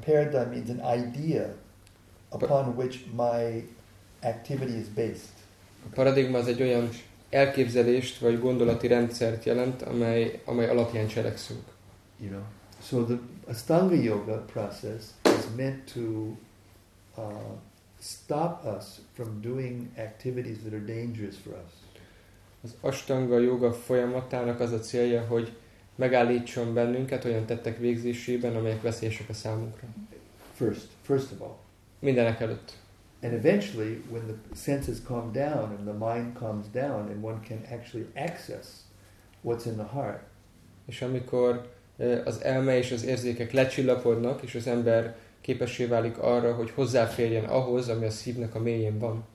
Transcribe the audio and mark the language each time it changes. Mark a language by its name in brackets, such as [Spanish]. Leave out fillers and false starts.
[English] Paradigm means an idea upon which my activity is based. [Hungarian] A paradigma az egy olyan elképzelést vagy gondolati rendszert jelent, amely alapján cselekszünk. [English] You know, so the Ashtanga yoga process is meant to stop us from doing activities that are dangerous for us. [Hungarian] Az Ashtanga yoga folyamatának az a célja, hogy megállítson bennünket olyan tettek végzésében, amelyek veszélyesek a számunkra. [English] First of all. [Hungarian] Mindenek előtt. [English] And eventually, when the senses calm down and the mind calms down and one can actually access what's in the heart. [Hungarian] És amikor az elme és az érzékek lecsillapodnak, és az ember képessé válik arra, hogy hozzáférjen ahhoz, ami a szívnek a mélyén van.